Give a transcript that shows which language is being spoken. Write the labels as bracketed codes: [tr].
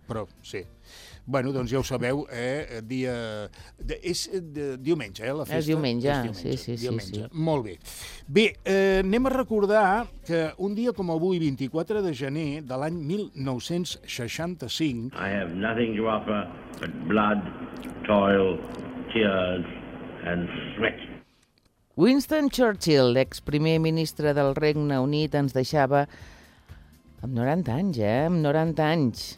[ca] Però, sí. Bueno, doncs ja ho sabeu, dia... És diumenge, la festa. És diumenge, sí. Molt bé. Bé, anem a recordar que un dia com avui, 24 de gener de l'any 1965... [en] I have nothing to offer but blood, toil, tears and sweat. [ca] Winston Churchill, l'exprimer ministre del Regne Unit, ens deixava amb 90 anys, amb 90 anys.